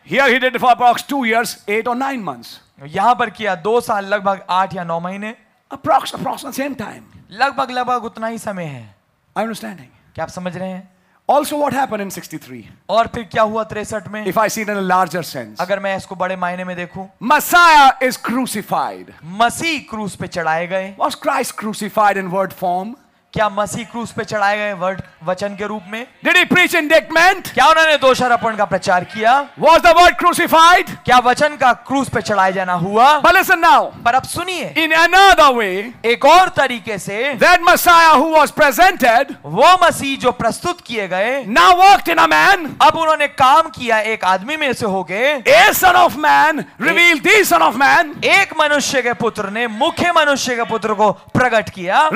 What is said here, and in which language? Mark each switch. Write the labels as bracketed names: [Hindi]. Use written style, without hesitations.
[English] Here he did for approx 2 years, 8 or 9 months. [Hindi] यहां पर किया 2 साल, लगभग 8 या 9 महीने. [English] Approx the same time. [Hindi] लगभग उतना ही समय है. [English] I understand. [Hindi] क्या आप समझ रहे हैं? [English] Also, what happened in 63? [Hindi] और फिर क्या हुआ 63 में? [English] If I see it in a larger sense, [Hindi] अगर मैं इसको बड़े मायने में देखूं, [English] Messiah is crucified. [Hindi] मसीह क्रूस पे चढ़ाए गए. [English] Was Christ crucified in word form? [Hindi] क्या मसीह क्रूस पे चढ़ाए गए वर्ड वचन के रूप में? [English] Did he preach indictment? [Hindi] क्या उन्होंने दोषारोपण का प्रचार किया? [English] Was the word crucified? [Hindi] क्या वचन का क्रूस पे चढ़ाए जाना हुआ? [English] But listen now. [Hindi] पर अब सुनिए. [English] In another way. [Hindi] एक और तरीके से. [English] That Messiah who was presented. [Hindi] वो मसीह जो प्रस्तुत किए गए. [English] Now worked in a man. [Hindi] अब उन्होंने काम किया एक आदमी में से होके. [English] A son of man revealed the son of man. [Hindi] एक मनुष्य के पुत्र ने मुख्य मनुष्य के पुत्र को प्रकट किया.